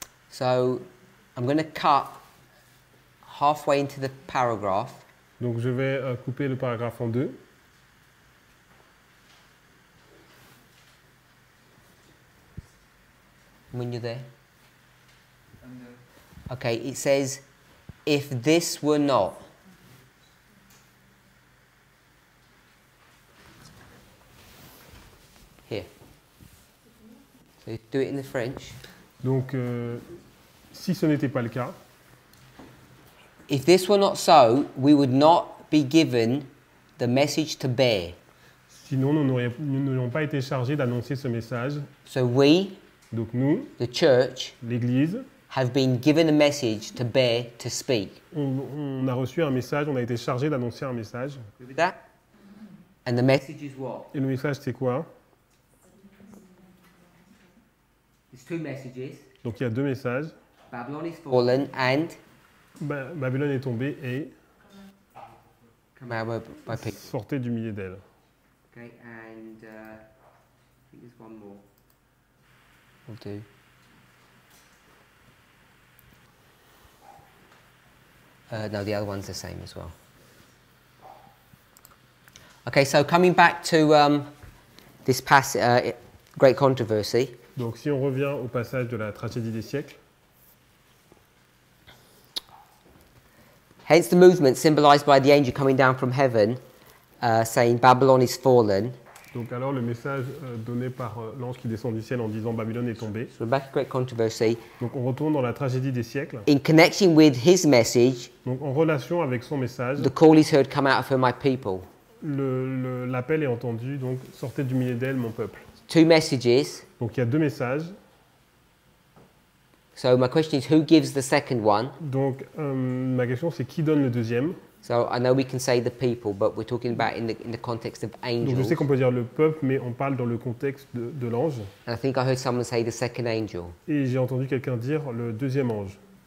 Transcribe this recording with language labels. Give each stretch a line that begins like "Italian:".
English: So I'm going to cut halfway into the paragraph.
French: Donc je vais couper le paragraphe en deux.
English: When you're there. I'm there. Okay, it says, if this were not. Here. Do it in the French.
French: Donc, si ce n'était pas le cas,
English: if this were not so, we would not be given the message to bear.
French: Sinon, nous n'aurions pas été chargés d'annoncer ce message.
English: So we,
French: donc nous,
English: the church,
French: l'Église,
English: have been given a message to bear to speak.
French: On a reçu un message, on a été chargé d'annoncer un message.
English: That? And the message is what?
French: Et le message, c'est quoi?
English: It's two messages.
French: Donc il y a deux messages.
English: Babylon is fallen and
French: Babylone est tombée et
English: come out by peace.
French: Sortez du milieu d'elle.
English: Okay, and I think there's one more. We'll do. No, the other one's the same as well. Okay, so coming back to this passage, Great Controversy.
French: Donc, si on revient au passage de la tragédie des siècles.
English: Hence, the movement symbolized by the angel coming down from heaven, saying Babylon is fallen.
French: Donc, alors le message donné par l'ange qui descend du ciel en disant Babylone est tombée.
English: So back to Great Controversy.
French: Donc, on retourne dans la tragédie des siècles.
English: In connection with his message.
French: Donc, en relation avec son message.
English: The call is heard, come out of her, my people.
French: L'appel est entendu, donc sortez du milieu d'elle, mon peuple.
English: Two messages.
French: Donc, il y a deux messages.
English: So my question is, who gives the second one?
French: Donc, ma question c'est qui donne le deuxième?
English: So I know we can say the people, but we're talking about in the context of angels.
French: Donc, je sais qu'on peut dire le peuple, mais on parle dans le contexte de l'ange.
English: And I think I heard someone say the second angel.
French: Et j'ai entendu quelqu'un dire le deuxième ange.